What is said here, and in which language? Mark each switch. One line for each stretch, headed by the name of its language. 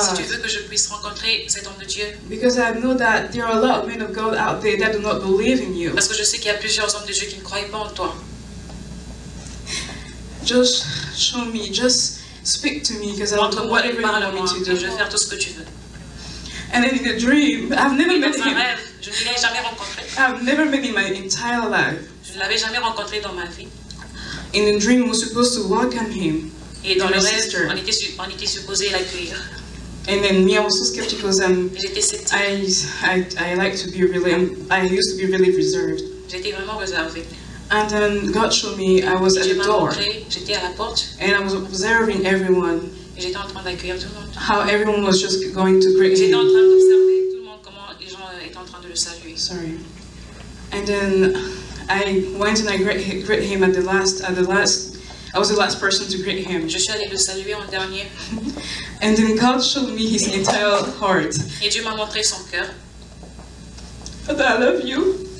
French: si tu veux que je puisse rencontrer cet homme de Dieu,
English: because I know that there are a lot of men of God out there that do not believe in you."
French: Parce que je sais qu'il y a plusieurs hommes de Dieu qui ne croient pas en toi.
English: Just show me. Just speak to me, because I'll do whatever you want me to do.
French: Je vais faire tout ce que tu veux.
English: And then in a dream, I've never met him.
French: Je ne l'ai jamais rencontré.
English: I've never met him in my entire life.
French: Je ne l'avais jamais rencontré dans ma vie.
English: In a dream, we're supposed to welcome him.
French: Et dans le rêve, on était supposé l'accueillir.
English: And then me, I was so skeptical.
French: J'étais sceptique.
English: I like to be really. I used to be really reserved.
French: J'étais vraiment réservée.
English: And then God showed me I was at the door.
French: J'étais à la porte.
English: And I was observing everyone.
French: J'étais en train d'accueillir tout le monde.
English: How everyone was just going to greet him.
French: J'étais en train d'observer tout le monde, comment les gens étaient en train de le saluer.
English: Sorry. And then I went and I greet him at the last, I was the last person to greet him.
French: Je suis allée le saluer en dernier.
English: And then God showed me his entire heart.
French: Et Dieu m'a montré son cœur.
English: Father, I love you.